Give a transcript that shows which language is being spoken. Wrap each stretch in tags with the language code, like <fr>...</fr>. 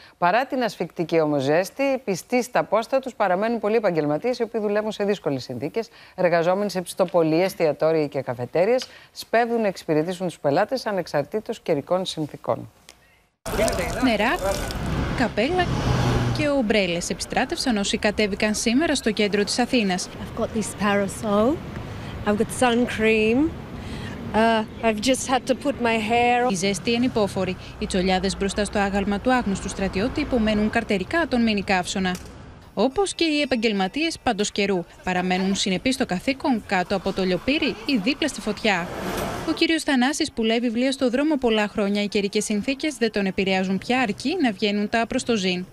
<el>Παρά την ασφυκτική όμως ζέστη, πιστοί στα πόστα τους παραμένουν πολλοί επαγγελματίες, οι οποίοι δουλεύουν σε δύσκολες συνθήκες. Εργαζόμενοι σε ψητοπολίες, εστιατόρια και καφετέρειες σπέβδουν να εξυπηρετήσουν τους πελάτες ανεξαρτήτως καιρικών συνθήκων. Νερά, καπέλα και ομπρέλες επιστράτευσαν όσοι κατέβηκαν σήμερα στο κέντρο της Αθήνας.</el> <en>I've got this parasol, I've got sun cream, I've just had to put my hair...</en> <el>Η ζέστη είναι υπόφορη. Οι τσολιάδες μπροστά στο άγαλμα του άγνωστου στρατιώτη υπομένουν καρτερικά τον μίνι καύσωνα. όπως και οι επαγγελματίες παντός καιρού. Παραμένουν συνεπείς στο καθήκον κάτω από το λιοπύρι ή δίπλα στη φωτιά. Ο κύριος Θανάσης πουλάει βιβλία στο δρόμο πολλά χρόνια. Οι καιρικές συνθήκες δεν τον επηρεάζουν πια, αρκεί να βγαίνουν τα προς το ζήν.</el>